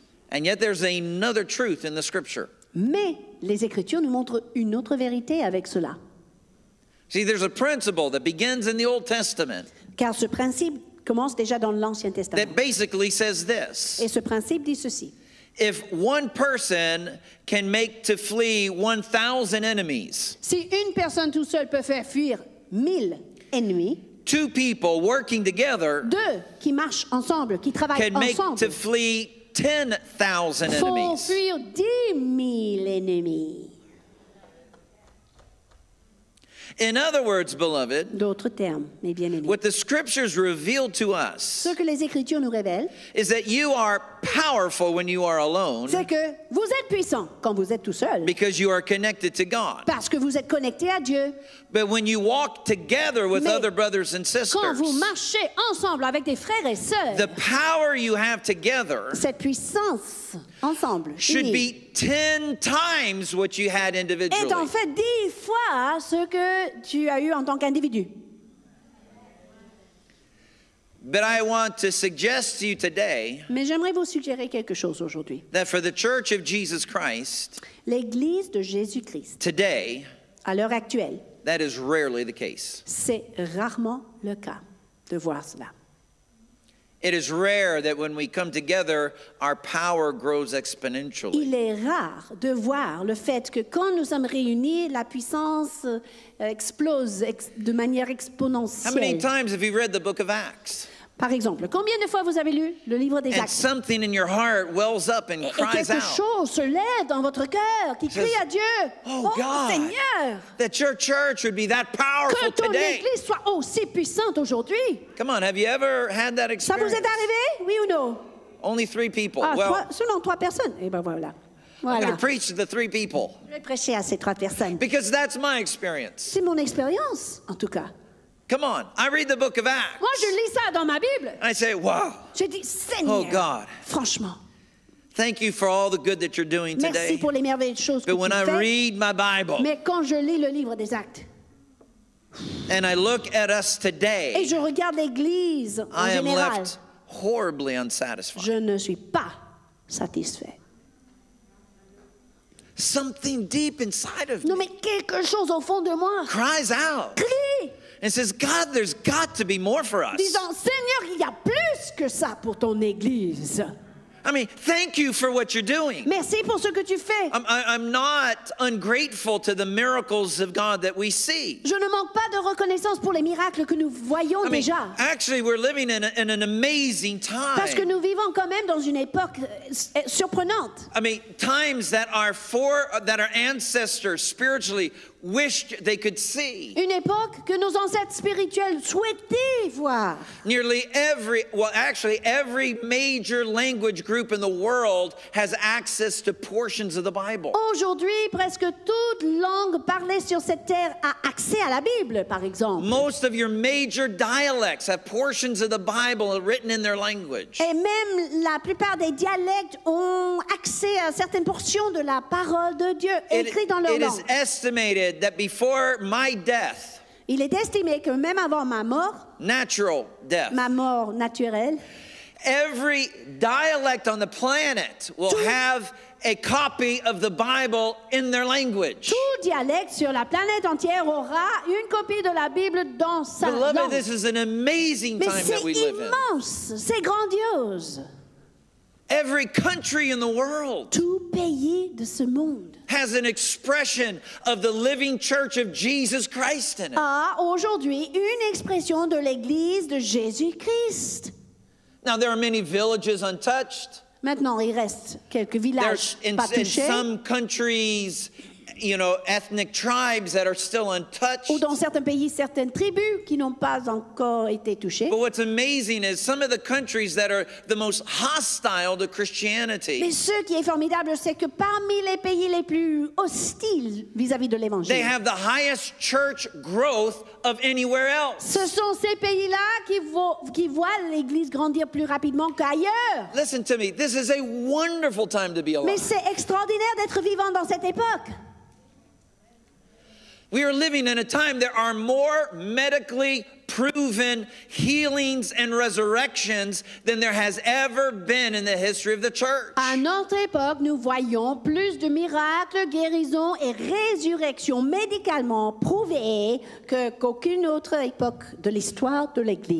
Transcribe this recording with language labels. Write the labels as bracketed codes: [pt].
[en] And yet there's another truth in the scripture. [fr] Mais les Écritures nous montrent une autre vérité avec cela. [en] See, there's a principle that begins in the Old Testament. [fr] Car ce principe commence déjà dans l'Ancien Testament. [en] That basically says this. [fr] Et ce principe dit ceci. [en] If one person can make to flee 1,000 enemies. [fr] Si une personne tout seule peut faire fuir 1,000 ennemis. [en] Two people working together. [fr] Deux qui marchent ensemble, qui travaillent ensemble. [en] make to flee 10,000 enemies. [fr] Faut fuir 10,000 ennemis. [en] In other words, beloved, [fr] d'autres termes, mais bien aimés, [en] what the scriptures reveal to us, [fr] ce que les écritures nous révèlent, [en] is that you are powerful when you are alone. [fr] C'est que vous êtes puissant quand vous êtes tout seul. [en] Because you are connected to God. [fr] Parce que vous êtes connecté à Dieu. [en] But when you walk together with other brothers and sisters, [fr] quand vous marchez ensemble avec des frères et sœurs, [en] the power you have together, [fr] cette puissance ensemble, [en] should be 10 times what you had individually. [fr] Est en fait 10 fois ce que tu as eu en tant qu'individu. [en] But I want to suggest to you today, [fr] mais j'aimerais vous suggérer quelque chose aujourd'hui, [en] that for the Church of Jesus Christ, [fr] l'Église de Jésus-Christ, [en] today, [fr] à l'heure actuelle, [en] that is rarely the case. [fr] C'est rarement le cas de voir cela. [en] It is rare that when we come together, our power grows exponentially. [fr] Il est rare de voir le fait que quand nous sommes réunis, la puissance explose de manière exponentielle. [en] How many times have you read the book of Acts? [fr] Par exemple, combien de fois vous avez lu le livre des Actes? [en] And something in your heart wells up and cries out. [fr] Et quelque chose se lève dans votre cœur qui crie à Dieu. Oh, oh [en] God, [fr] Seigneur! [en] That your church would be that powerful today. [fr] Que ton église soit aussi puissante aujourd'hui. [en] Come on, have you ever had that experience? [fr] Ça vous est arrivé, oui ou non? [en] Only three people. Ah, well, [fr] seulement trois personnes. Eh ben voilà. [en] I'm going to preach to the three people. [fr] Je vais prêcher à ces trois personnes. [en] Because that's my experience. [fr] C'est mon expérience, en tout cas. [en] Come on, I read the book of Acts. [fr] Moi, je lis ça dans ma Bible. [en] I say, wow. [fr] Je dis, Seigneur, [en] oh God. [fr] Franchement. [en] Thank you for all the good that you're doing [fr] merci [en] today. [fr] Merci pour les merveilleuses choses [en] but [fr] que [en] when [fr] tu [en] I [fr] fais, [en] read my Bible, [fr] mais quand je lis le livre des Actes, [en] and I look at us today, [fr] et je regarde l'Église en [en] I [fr] général, [en] am left horribly unsatisfied. [fr] Je ne suis pas satisfait. [en] Something deep inside of [fr] non, [en] me. [fr] Non, mais quelque chose au fond de moi. [en] Cries out. [fr] Crie. [en] And says, God, there's got to be more for us. [fr] Disant, Seigneur, il y a plus que ça pour ton église. [en] I mean, thank you for what you're doing. [fr] Merci pour ce que tu fais. [en] I'm not ungrateful to the miracles of God that we see. [fr] Je ne manque pas de reconnaissance pour les miracles que nous voyons [en] I mean, [fr] déjà. [en] Actually, we're living in an amazing time. [fr] Parce que nous vivons quand même dans une époque surprenante. [en] I mean, times that our ancestors spiritually wished they could see. [fr] Une époque que nos ancêtres spirituels souhaitaient voir. [en] Nearly every, well, actually, every major language group in the world has access to portions of the Bible. [fr] Aujourd'hui, presque toute langue parlée sur cette terre a accès à la Bible, par exemple. [en] Most of your major dialects have portions of the Bible written in their language. [fr] Et même la plupart des dialectes ont accès à certaines portions de la parole de Dieu écrites dans leur langue. [en] It is estimated that before my death, [fr] il est estimé que même avant ma mort, [en] natural death, [fr] ma mort naturelle, [en] every dialect on the planet will have a copy of the Bible in their language. [fr] Tout dialecte sur la planète entière aura une copie de la Bible dans sa langue. [en] Beloved, this is an amazing time that we live in. [fr] Mais c'est immense, c'est grandiose. [en] Every country in the world, [fr] tout pays de ce monde, [en] has an expression of the living church of Jesus Christ in it. [fr] Ah, aujourd'hui, une expression de l'église de Jésus-Christ. [en] Now there are many villages untouched. [fr] Maintenant, il reste quelques villages pas touchés. [en] In some countries, you know, ethnic tribes that are still untouched. [fr] Ou dans certains pays, certaines tribus qui n'ont pas encore été touchées. [en] But what's amazing is some of the countries that are the most hostile to Christianity. [fr] Mais ce qui est formidable, c'est que parmi les pays les plus hostiles vis-à-vis de l'évangile, [en] they have the highest church growth of anywhere else. [fr] Ce sont ces pays-là qui voient l'Église grandir plus rapidement qu'ailleurs. [en] Listen to me. This is a wonderful time to be alive. [fr] Mais c'est extraordinaire d'être vivant dans cette époque. [en] We are living in a time there are more medically proven healings and resurrections than there has ever been in the history of the church. [fr] À notre époque, nous voyons plus de miracles, guérisons et résurrections médicalement prouvées que qu'aucune autre époque de l'histoire de l'Église.